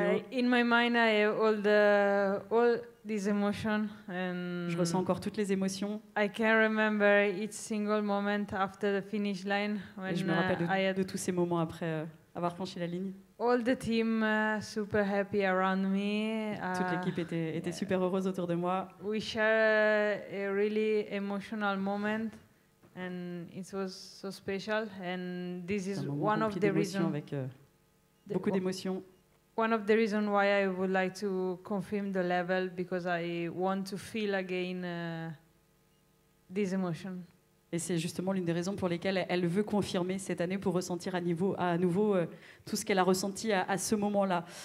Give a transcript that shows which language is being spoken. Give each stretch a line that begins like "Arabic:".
English: In my mind, I have all these emotions.
French: Je ressens encore toutes les émotions.
English: I can remember each single moment after the finish line. When
French: je me rappelle de tous ces moments après... avoir franchi la ligne.
English: All the team super happy around me.
French: Toute l'équipe était super heureuse autour de moi.
English: We share a really emotional moment and it was so special and this is one of the reasons.
French: Avec beaucoup d'émotions.
English: One of the reasons why I would like to confirm the level because I want to feel again this emotion.
French: Et c'est justement l'une des raisons pour lesquelles elle veut confirmer cette année pour ressentir à nouveau tout ce qu'elle a ressenti à ce moment-là.